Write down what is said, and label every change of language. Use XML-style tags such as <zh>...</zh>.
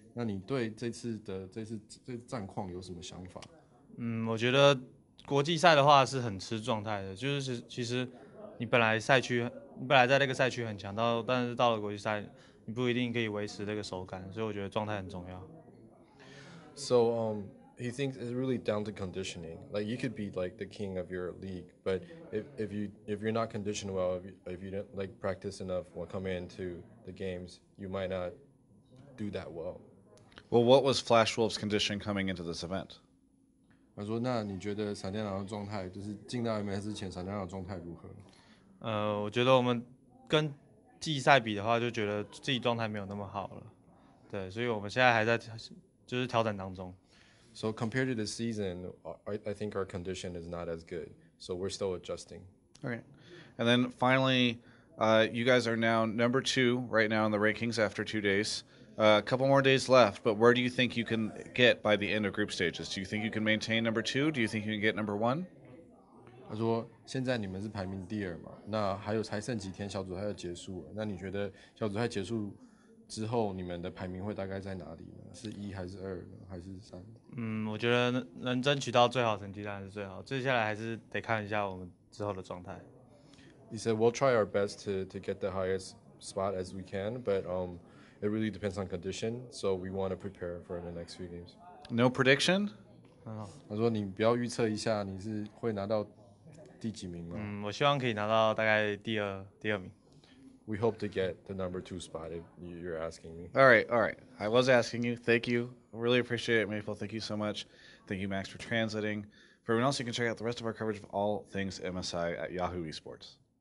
<zh>那你对这次战况有什么想法？我觉得国际赛的话是很吃状态的，就是其实你本来赛区，你本来在那个赛区很强，但是到了国际赛，你不一定可以维持这个手感，所以我觉得状态很重要。</zh> <en>So he thinks it's really down to conditioning. Like you could be like the king of your league, but if you're not conditioned well, if you don't like practice enough when come into the games, you might not do that well. Well, what was Flash Wolf's condition coming into this event?</en> <zh>他说：“那你觉得闪电狼的状态，就是进到 MS 之前，闪电狼的状态如何？” 我觉得我们跟季赛比的话，就觉得自己状态没有那么好了。对，所以我们现在还在就是调整当中。</zh> <en>So compared to the season, I think our condition is not as good. So we're still adjusting. Okay. And then finally, you guys are now number two right now in the rankings after 2 days. A couple more days left, but where do you think you can get by the end of group stages? Do you think you can maintain number two? Do you think you can get number one?</en> <zh>他说现在你们是排名第二嘛，那还有才剩几天小组赛要结束了，那你觉得小组赛结束之后你们的排名会大概在哪里呢？是一还是二还是三？我觉得能争取到最好成绩当然是最好，接下来还是得看一下我们之后的状态。</zh> <en>He said, "We'll try our best to get the highest spot as we can, but It really depends on condition, so we want to prepare for the next few games. No prediction?</en> <zh>他说你不要预测一下你是会拿到第几名吗？我希望可以拿到大概第二名。</zh> <en>We hope to get the number two spot if you're asking me. All right, all right. I was asking you. Thank you. really appreciate it, Maple. Thank you so much. Thank you, Max, for translating. For everyone else, you can check out the rest of our coverage of all things MSI at Yahoo Esports.</en>